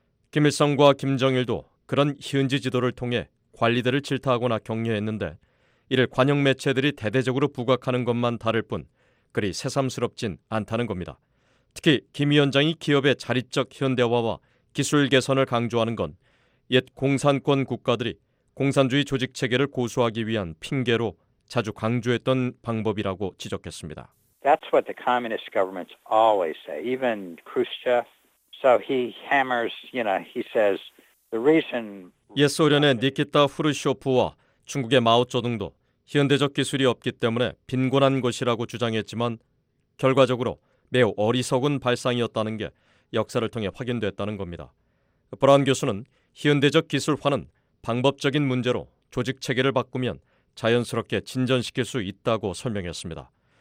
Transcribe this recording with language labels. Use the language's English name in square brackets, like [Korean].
[Korean] 김일성과 김정일도 그런 희은지 지도를 통해 관리들을 질타하거나 격려했는데 이를 관영 매체들이 대대적으로 부각하는 것만 다를 뿐 그리 새삼스럽진 않다는 겁니다. 특히 김 위원장이 기업의 자립적 현대화와 기술 개선을 강조하는 건 옛 공산권 국가들이 공산주의 조직 체계를 고수하기 위한 핑계로 자주 강조했던 방법이라고 지적했습니다. [English] That's what the communist governments always say. Even Khrushchev. So he hammers, you know, he says the reason [Korean] 옛 소련의 니키타 후르쇼프와 중국의 마오쩌둥도 현대적 기술이 없기 때문에 빈곤한 것이라고 주장했지만 결과적으로 매우 어리석은 발상이었다는 게 역사를 통해 확인됐다는 겁니다. 브라운 교수는 현대적 기술화는 방법적인 문제로 조직 체계를 바꾸면 자연스럽게 진전시킬 수 있다고 설명했습니다.